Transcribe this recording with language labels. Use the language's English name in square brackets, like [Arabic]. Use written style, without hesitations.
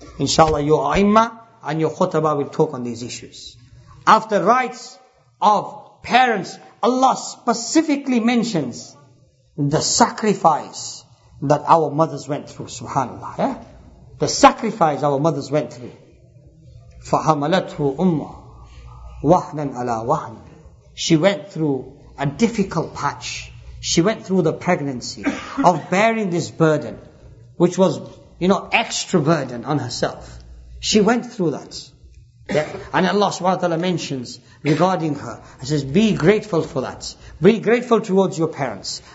[English] Inshallah, your a'immah and your khutbah will talk on these issues. After rights of parents, Allah specifically mentions the sacrifice that our mothers went through. SubhanAllah. Yeah? The sacrifice our mothers went through. [Arabic] فَحَمَلَتْهُ أُمَّهُ وَحْنًا عَلَى وَحْنًا. [English] She went through a difficult patch. She went through the pregnancy of bearing this burden, which was, you know, extra burden on herself. She went through that. Yeah. And Allah subhanahu wa ta'ala mentions regarding her. He says, be grateful for that. Be grateful towards your parents.